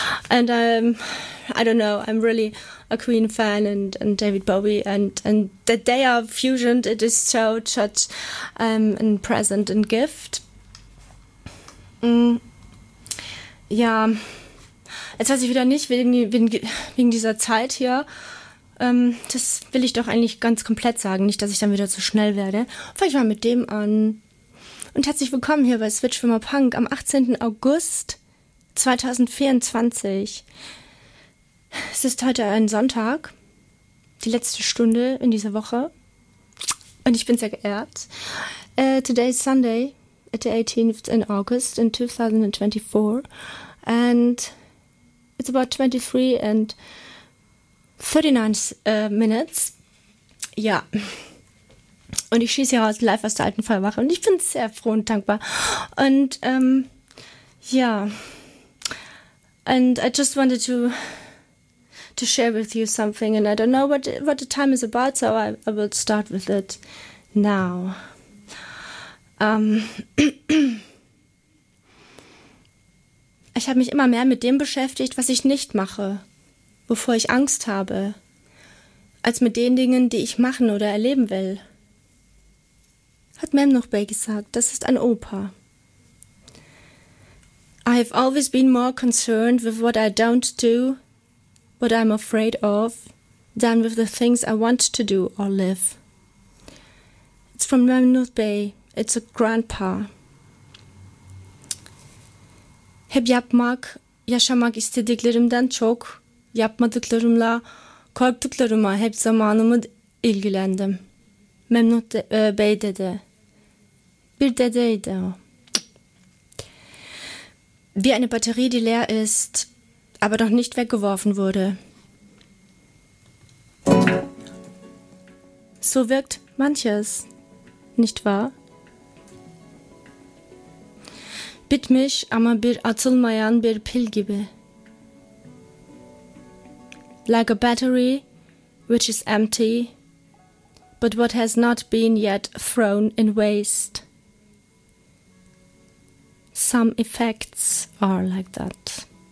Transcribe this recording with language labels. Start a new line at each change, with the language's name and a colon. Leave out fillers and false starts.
English: And I don't know, I'm really a Queen fan and David Bowie. And the day of fusion, it is so such a present and gift.
German: Ja, jetzt weiß ich wieder nicht, wegen dieser Zeit hier. Das will ich doch eigentlich ganz komplett sagen, nicht, dass ich dann wieder zu schnell werde. Fange ich mal mit dem an. Und herzlich willkommen hier bei Switch Filmer Punk am 18. August 2024. Es ist heute ein Sonntag, die letzte Stunde in dieser Woche. Und ich bin sehr geehrt.
English: Today is Sunday, at the 18th in August in 2024. And it's about 23 and 39 minutes.
German: Ja. Und ich schieße hier raus live aus der alten Feuerwache. Und ich bin sehr froh und dankbar. Und ja.
English: And I just wanted to share with you something. And I don't know what the time is about. So I will start with it now.
German: Ich habe mich immer mehr mit dem beschäftigt, was ich nicht mache, wovor ich Angst habe, als mit den Dingen, die ich machen oder erleben will. Hat Mem noch bei gesagt, das ist ein Opa.
English: I have always been more concerned with what I don't do, what I'm afraid of, than with the things I want to do or live. It's from Mem Nuthbey. It's a grandpa.
Turkish: Heb yapmak, yaşamak istediklerimden çok, yapmadıklarımla, korktuklarıma hep zamanımı ilgilendim. Memnun Bey dedi. Bir dedeydi o.
German: Wie eine Batterie, die leer ist, aber noch nicht weggeworfen wurde. So wirkt manches, nicht wahr?
Turkish: Bitmiş ama bir atılmayan bir pil gibi.
English: Like a battery which is empty, but what has not been yet thrown in waste. Some effects are like that.